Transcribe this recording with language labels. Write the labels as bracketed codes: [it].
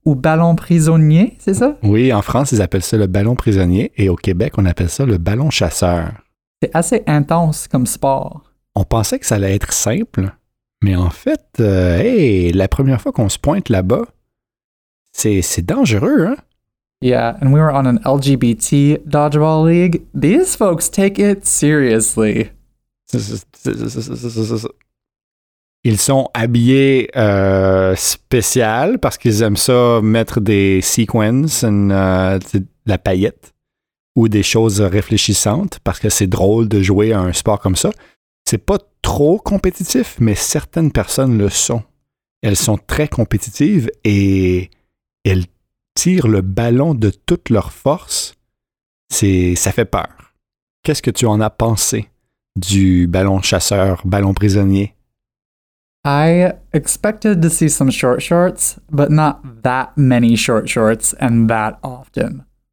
[fr] Ou ballon prisonnier, c'est ça? Oui, en France, ils appellent ça le ballon prisonnier, et au Québec, on appelle ça le ballon chasseur. C'est assez intense comme sport. On pensait que ça allait être simple, mais en fait, la première fois qu'on se pointe là-bas, c'est dangereux, hein? [en] Yeah, and we were on an LGBT dodgeball league. These folks take it seriously. [fr] Ils sont habillés spécial parce qu'ils aiment ça mettre des sequins, la paillette ou des choses réfléchissantes parce que c'est drôle de jouer à un sport comme ça. C'est pas trop compétitif, mais certaines personnes le sont. Elles sont très compétitives et elles tirent le ballon de toute leur force, ça fait peur. Qu'est-ce que tu en as pensé du ballon chasseur, ballon prisonnier? [en] I expected to see some short shorts, but not that many short shorts and that often.